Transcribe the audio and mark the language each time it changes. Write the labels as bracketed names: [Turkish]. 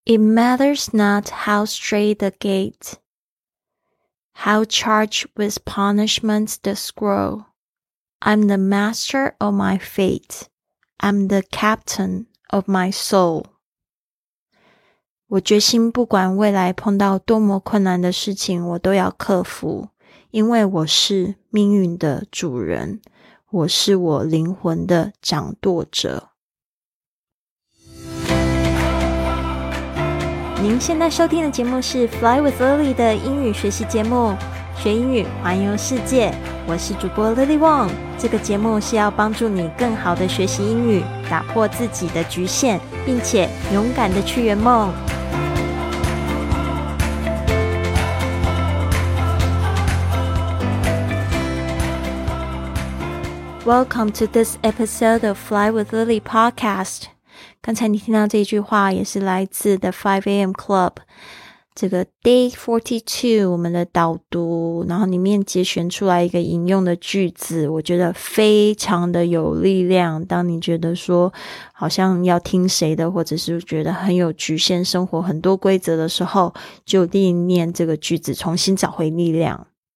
[English] It matters not how straight the gate, how charged with punishment the scroll. I'm the master of my fate. I'm the captain of my soul. [Chinese] 我决心不管未来碰到多么困难的事情，我都要克服，因为我是命运的主人，我是我灵魂的掌舵者。您现在收听的节目是 Fly with Lily 的英语学习节目，学英语环游世界。我是主播 Lily Wong， 这个节目是要帮助你更好的学习英语，打破自己的局限，并且勇敢的去圆梦。 [English] Welcome to this episode of Fly with Lily podcast。 [Chinese] 刚才你听到这句话也是来自 The 5AM Club 这个 Day 42我们的导读，然后里面节选出来一个引用的句子，我觉得非常的有力量。当你觉得说好像要听谁的，或者是觉得很有局限，生活很多规则的时候，就立念这个句子，重新找回力量。